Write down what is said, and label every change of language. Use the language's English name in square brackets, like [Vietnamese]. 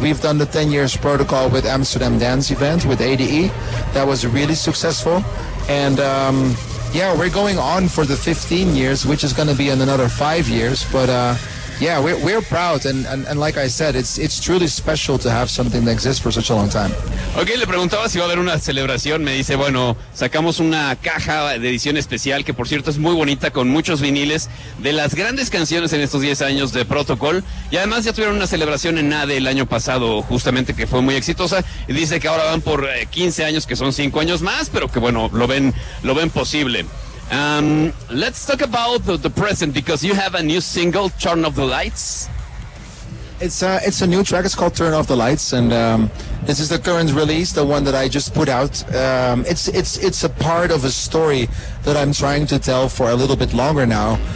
[English] We've done the 10 years protocol with Amsterdam Dance Event, with ADE. That was really successful. And... yeah, we're going on for the 15 years, which is going to be in another 5 years. But yeah, we're proud, and like I said, it's truly special to have something that exists for such a long time. [Spanish] Okay, le preguntaba si va a haber una celebración. Me dice, bueno, sacamos una caja de edición especial, que por cierto es muy bonita, con muchos viniles de las grandes canciones en estos 10 años de Protocol. Y además ya tuvieron una celebración en ADE el año pasado, justamente, que fue muy exitosa. Y dice que ahora van por 15 años, que son 5 años más, pero que bueno, lo ven posible. [English] Let's talk about the present, because you have a new single, Turn Off the Lights. It's a new track. It's called Turn Off the Lights, and this is the current release, the one that I just put out. It's a part of a story that I'm trying to tell for a little bit longer now.